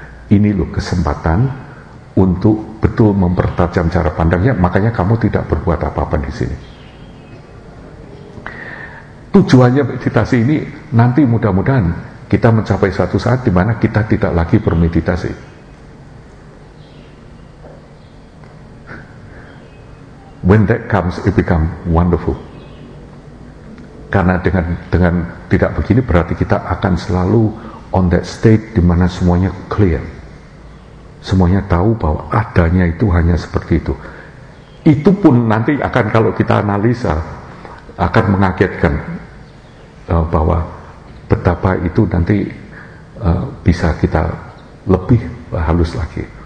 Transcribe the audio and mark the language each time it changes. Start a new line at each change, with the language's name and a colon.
Indonesian: Ini loh kesempatan untuk betul mempertajam cara pandangnya, makanya kamu tidak berbuat apa-apa di sini. Tujuannya meditasi ini nanti mudah-mudahan kita mencapai suatu saat di mana kita tidak lagi bermeditasi.
English: When that comes, it become wonderful.
Indonesian: Karena dengan tidak begini, berarti kita akan selalu
English: on that state
Indonesian: di mana semuanya clear. Semuanya tahu bahwa adanya itu hanya seperti itu. Itu pun nanti akan, kalau kita analisa, akan mengagetkan bahwa betapa itu nanti bisa kita lebih halus lagi.